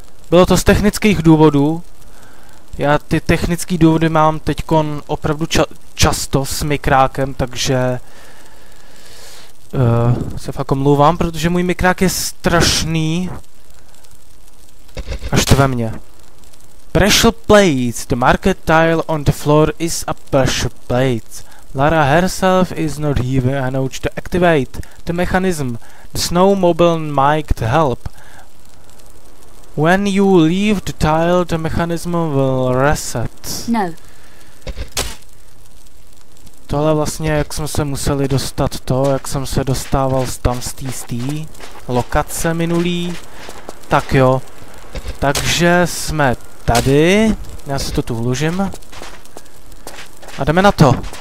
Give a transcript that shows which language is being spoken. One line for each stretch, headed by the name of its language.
Czech: Bylo to z technických důvodů. Já ty technické důvody mám teďkon opravdu často s mikrákem, takže... se fakt omlouvám, protože můj mikrák je strašný. Až to ve mně.
English: Pressure plates. The marked tile on the floor is a pressure plate. Lara herself is not even enough to activate the mechanism. The snow mobile might help. When you leave the tile, the mechanism will reset.
Czech: No. Tohle vlastně, jak jsme se museli dostat to, jak jsem se dostával tam z té lokace minulý. Tak jo. Takže jsme tady. Já si to tu vložím. A jdeme na to.